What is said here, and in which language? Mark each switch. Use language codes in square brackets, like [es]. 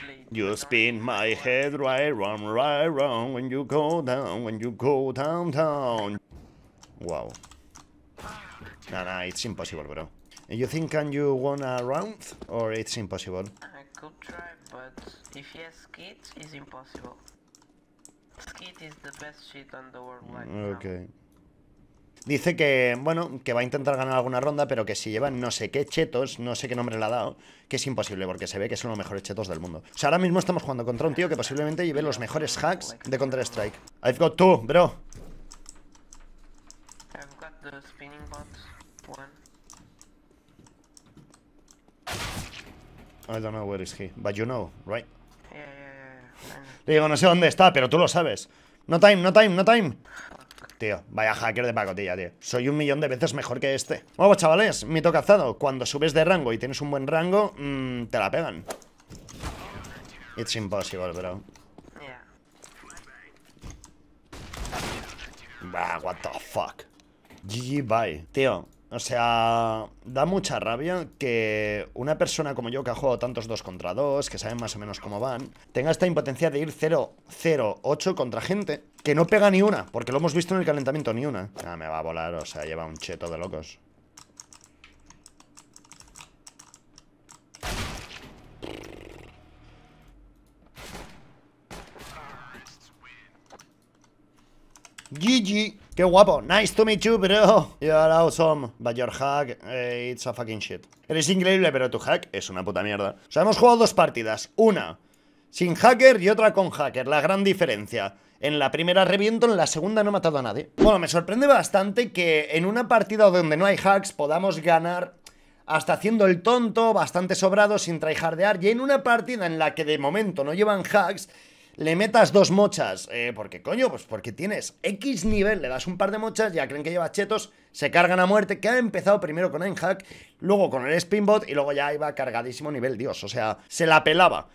[en] You spin my head right round when you go down, when you go downtown. Wow. Nah, it's impossible, bro. You think can you won a round or it's impossible? I could try, but if he has skit, it's impossible. Skit is the best shit on the world wide. Okay. [es] Dice que, bueno, que va a intentar ganar alguna ronda, pero que si lleva no sé qué chetos, no sé qué nombre le ha dado, que es imposible porque se ve que son los mejores chetos del mundo. O sea, ahora mismo estamos jugando contra un tío que posiblemente lleve los mejores hacks de Counter-Strike. [en] I've got two, bro. I've got the spinning bot, one. I don't know where is he, but you know, right? Yeah. [es] Le digo, no sé dónde está, pero tú lo sabes. [en] No time, no time, no time. [es] Tío, vaya hacker de pacotilla, tío. Soy un millón de veces mejor que este. Bueno, chavales, mito cazado. Cuando subes de rango y tienes un buen rango, te la pegan. [en] It's impossible, bro. Yeah. Bah, what the fuck. GG, bye. [es] Tío, o sea, da mucha rabia que una persona como yo, que ha jugado tantos 2 contra 2, que saben más o menos cómo van, tenga esta impotencia de ir 0-0-8 contra gente que no pega ni una, porque lo hemos visto en el calentamiento, ni una. Ah, me va a volar, o sea, lleva un cheto de locos. [en] GG. [es] ¡Qué guapo! [en] ¡Nice to meet you, bro! You are awesome, but your hack, it's a fucking shit. [es] Eres increíble, pero tu hack es una puta mierda. O sea, hemos jugado 2 partidas. Una sin hacker y otra con hacker. La gran diferencia. En la primera reviento, en la segunda no he matado a nadie. Bueno, me sorprende bastante que en una partida donde no hay hacks podamos ganar hasta haciendo el tonto, bastante sobrado, sin tryhardear. Y en una partida en la que de momento no llevan hacks, le metas 2 mochas, porque coño, pues porque tienes X nivel, le das un par de mochas, ya creen que lleva chetos, se cargan a muerte, que ha empezado primero con Aimhack, luego con el Spinbot y luego ya iba cargadísimo nivel Dios, o sea, se la pelaba.